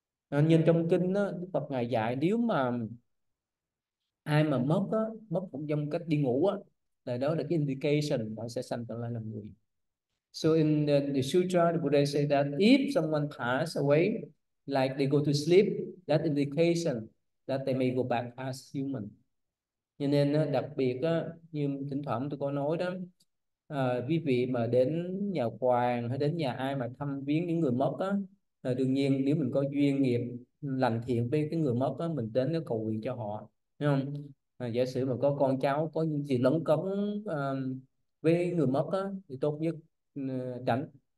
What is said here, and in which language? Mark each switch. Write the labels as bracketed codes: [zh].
[vi] Nên nhìn trong kinh đó, Đức Phật Ngài dạy, nếu mà ai mà mất đó, mất cũng trong cách đi ngủ á, là đó là cái indication nó sẽ sanh trở lại làm người. [en] So in the sutra, the Buddha say that if someone pass away, like they go to sleep, that indication that they may go back as human. [vi] Cho nên đặc biệt như thỉnh thoảng tôi có nói đó, quý vị mà đến nhà quan hay đến nhà ai mà thăm viếng những người mất đó, đương nhiên nếu mình có duyên nghiệp lành thiện với cái người mất đó, mình đến cầu nguyện cho họ, đúng không? Giả sử mà có con cháu có những gì lấn cấn với người mất đó, thì tốt nhất tránh.